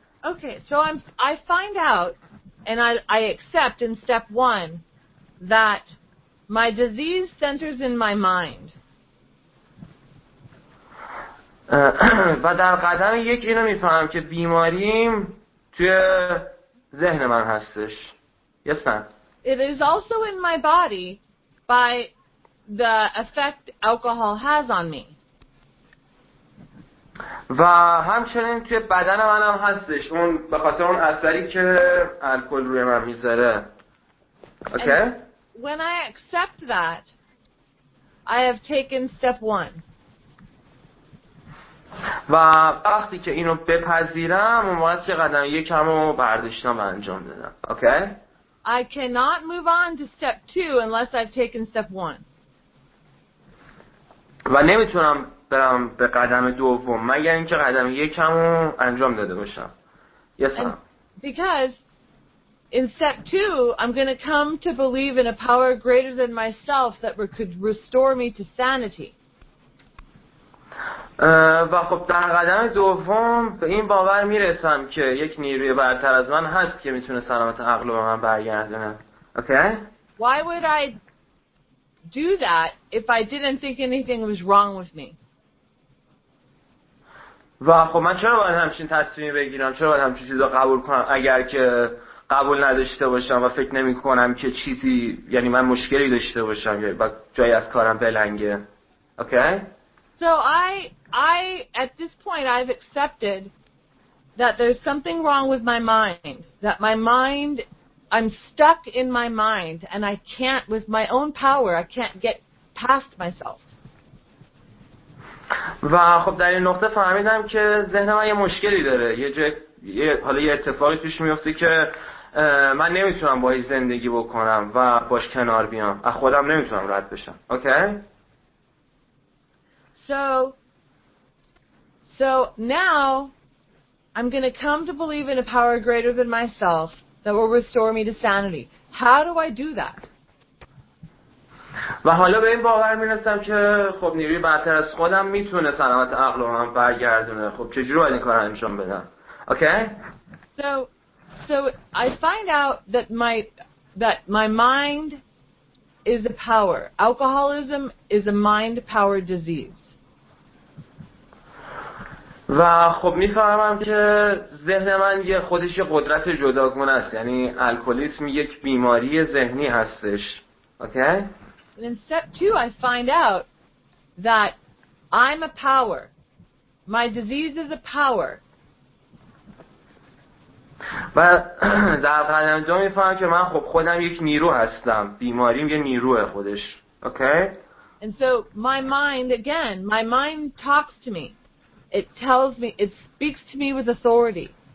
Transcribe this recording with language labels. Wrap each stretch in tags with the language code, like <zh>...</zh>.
<en>Okay, so I find out and I accept in step one that my disease centers in my mind.</en> <fa>و در قدم یک اینو میفهمم که بیماریم توی ذهن من هستش.</fa> <en>Yes, ma'am. It is also in my body by the effect alcohol has on me.</en> <fa>و همچنین که بدن منم هستش اون به خاطر اون اثری که الکل روی من میذاره.</fa> <en>Okay? And when I accept that, I have taken step one.</en> <fa>و وقتی که اینو بپذیرم اون وقت که قدم یکم رو برداشتم و انجام دادم.</fa> <en>Okay? I cannot move on to step two unless I've taken step one.</en> <fa>و نمیتونم برم به قدم دوم مگر اینکه قدم یکمو انجام داده باشم.</fa> <en>Yes, ma'am. Because in step two, I'm going to come to believe in a power greater than myself that could restore me to sanity.</en> <fa>و خب در قدم دوم به این باور میرسم که یک نیروی برتر از من هست که میتونه سلامت عقل به من برگردونه.</fa> <en>Okay? Why would I do that if I didn't think anything was wrong with me?</en> <fa>و خب من چرا باید همچین تصمیمی بگیرم؟ چرا باید همچین چیزو قبول کنم اگر که قبول نداشته باشم و فکر نمی کنم که چیزی، یعنی من مشکلی داشته باشم و جایی از کارم بلنگه؟ اوکی؟</fa> <en>So I at this point I've accepted that there's something wrong with my mind, that my mind, I'm stuck in my mind and I can't with my own power, I can't get past myself.</en> <fa>و خب در این نقطه فهمیدم که ذهن من یه مشکلی داره، حالا یه اتفاقی توش میفته که من نمیتونم باهاش زندگی بکنم و باش کنار بیام، از خودم نمیتونم رد بشم.</fa> <en>Okay? So now I'm going to come to believe in a power greater than myself that will restore me to sanity. How do I do that?</en> <fa>و حالا به این باور می‌رسم که خب نیروی برتر از خودم میتونه سلامت عقل و من برگردونه. خب چجوری باید این کار رو انجام بدم؟ Okay?</fa> <en>So I find out that my mind is a power. Alcoholism is a mind power disease.</en> <fa>و خب میفهمم که ذهن من یه خودش قدرت جداگونه است، یعنی الکلیسم یک بیماری ذهنی هستش.</fa> <en>Okay? Then step 2 I find out that I'm a power. My disease is a power.</en> <fa>و در قدم دوم میفهمم که من خب خودم یک نیرو هستم، بیماریم یه نیروه خودش.</fa> <en>Okay? And so my mind talks to me. It tells me, it speaks to me with authority.</en>